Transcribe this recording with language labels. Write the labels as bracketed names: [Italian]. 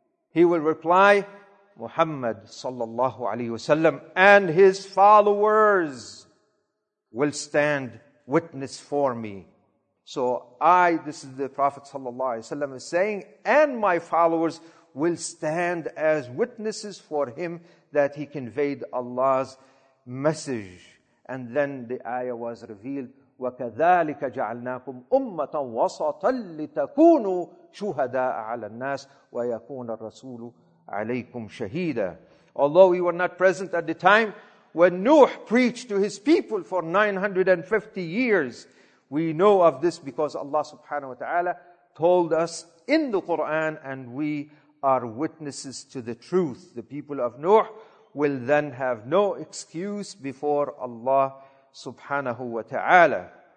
[English] He will reply, Muhammad sallallahu alayhi wasallam and his followers will stand witness for me. So this is the Prophet sallallahu alayhi wasallam is saying, and my followers will stand as witnesses for him that he conveyed Allah's message. And then the ayah was revealed, [Arabic] وَكَذَٰلِكَ جَعَلْنَاكُمْ أُمَّةً وَسَطًا لِتَكُونُوا شُهَدَاءَ عَلَى النَّاسِ وَيَكُونَ الرَّسُولُ عَلَيْكُمْ شَهِيدًا. [English] Although we were not present at the time when Nuh preached to his people for 950 years, we know of this because Allah subhanahu wa ta'ala told us in the Quran, and we are witnesses to the truth. The people of Nuh will then have no excuse before Allah subhanahu wa ta'ala.